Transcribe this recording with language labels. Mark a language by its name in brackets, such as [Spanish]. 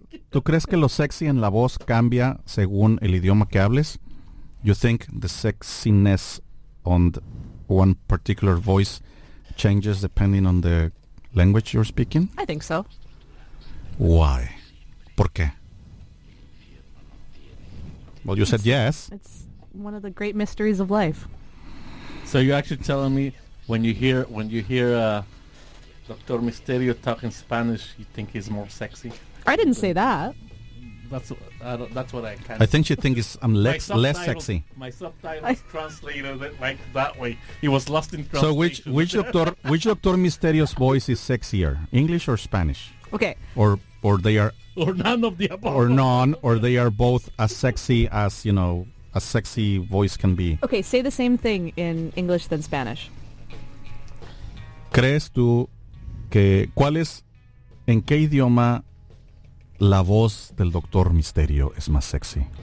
[Spanish] ¿Tú crees que lo sexy en la voz cambia según el idioma que hables? [English] You think the sexiness on one particular voice changes depending on the language you're speaking? I think so. Why? [Spanish] ¿Por qué? [English] Well, you said it's, yes. It's one of the great mysteries of life. So you're actually telling me when you hear Dr. Misterio talk in Spanish, you think he's more sexy? I didn't say that. That's what I kind of... I think you think I'm less sexy. My subtitle is translated it like that way. He was lost in translation. So which Dr. Misterio's voice is sexier, English or Spanish? Okay. Or they are... Or none of the above. Or none, or they are both as sexy as, you know... A sexy voice can be. Okay, say the same thing in English than Spanish. [Spanish] ¿Crees tú que cuál es, en qué idioma la voz del Doctor Misterio es más sexy?